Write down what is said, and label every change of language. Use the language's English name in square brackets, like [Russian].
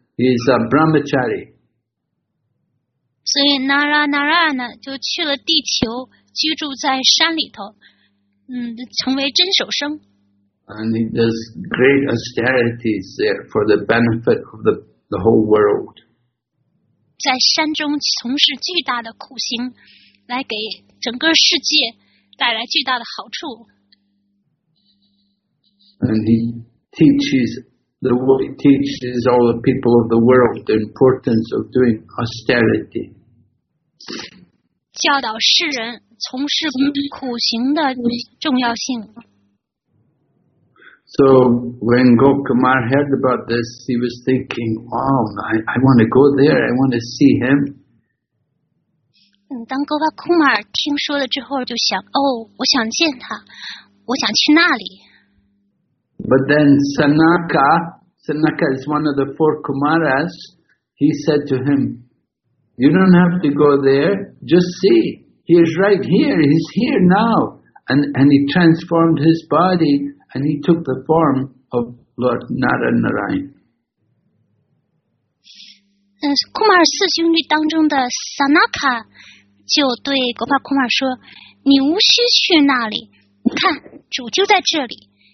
[English] He's a brahmachari. [Chinese] 所以 Naranarayana 就去了地球，居住在山里头，成为真守生。 [English] And he does great austerities there for the benefit of the whole world. [Chinese] 在山中从事巨大的苦行，来给整个世界带来巨大的好处。 [English] And he teaches all the people of the world the importance of doing austerity. [Chinese] 教导世人从事苦行的重要性。 [English] So when Gop Kumar heard about this, he was thinking, "Wow, I want to go there. I want to see him." [Chinese] 当 Gop Kumar 听说了之后，就想，哦，我想见他，我想去那里。 [English] But then Sanaka is one of the four Kumaras. He said to him, You don't have to go there. Just see. He is right here. He's here now. And he transformed his body and he took the form of Lord Narayan Narayan. [Chinese] 库马尔四兄弟当中的萨纳卡就对格帕库马尔说，你无需去那里，你看主就在这里。